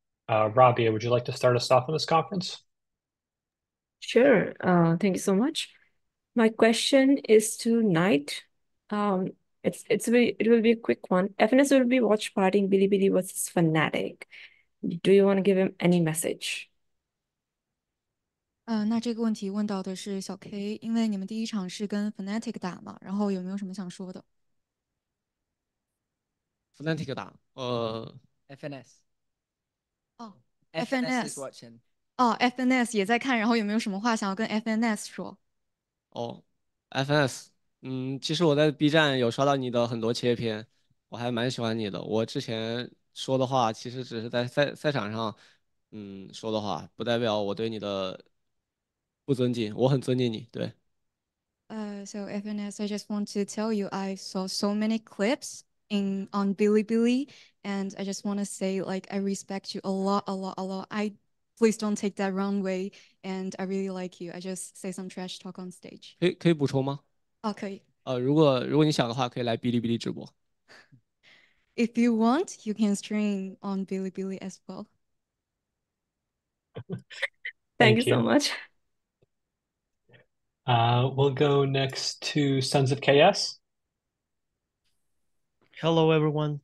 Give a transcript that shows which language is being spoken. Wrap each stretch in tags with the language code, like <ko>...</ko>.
<en>Rabia, would you like to start us off on this conference? Sure. Thank you so much. My question is to Knight. It will be a quick one. FNS will be watch partying Bilibili versus Fnatic. Do you want to give him any message?</en> <zh>那这个问题问到的是小 K，因为你们第一场是跟 Fnatic 打嘛，然后有没有什么想说的？ Fnatic 打，FNS，FNS is FNS，</zh> <en>watching。</en> <zh>哦，FNS 也在看，然后有没有什么话想要跟 FNS 说？哦，FNS，其实我在 B 站有刷到你的很多切片，我还蛮喜欢你的。我之前说的话，其实只是在赛场上，说的话，不代表我对你的不尊敬，我很尊敬你，对。</zh> <en>So FNS, I just want to tell you I saw so many clips in on Bilibili, and I just want to say like I respect you a lot, a lot, a lot. I please don't take that wrong way, and I really like you. I just say some trash talk on stage.</en> <zh>可以补充吗？</zh> <en>Okay.</en> <zh>如果你想的话，可以来哔哩哔哩直播。</zh> <en>If you want, you can stream on Bilibili as well. Thank you so you. much. We'll go next to Sons of KS. Hello, everyone.</en>